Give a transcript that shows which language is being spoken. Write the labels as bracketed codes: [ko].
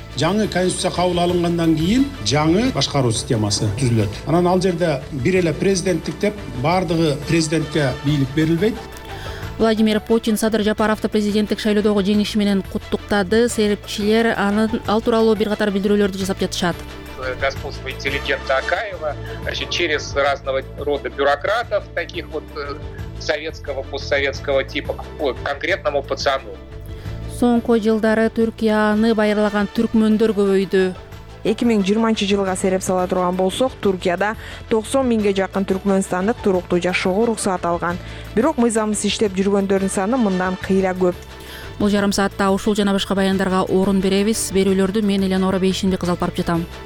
[ky] Жаңы конституция кабыл алынгандан кийин жаңы башкаруу системасы түзүлөт. Анан ал жерде бир эле президенттик деп бардыгы президентке бийлик берилбейт. Владимир Путин Садыр Жапаровду президенттик шайлоодогу жеңиши менен куттуктады. Серепчилер анын ал тууралуу бир катар билдирүүлөрдү жасап жатышат. [ru] Господство интеллигента Акаева, значит, через разного рода бюрократов, таких вот советского, постсоветского типа, конкретному пацану. [ky] Соңку жылдары Түркияны байырлаган түркмөндөр көбөйдү. 2020 жылга сереп сала турган болсок, Түркияда 90 миңге жакын түркмөнстандык туруктуу жашоого уруксат алган. Бирок мыйзамсыз иштеп жүргөндөрдүн саны мындан кыйра көп. Бул жарым саатта ушул жана башка баяндарга орун беребиз. Берүүлөрдү мен Эленора Бейшинди кызыл барып жатам.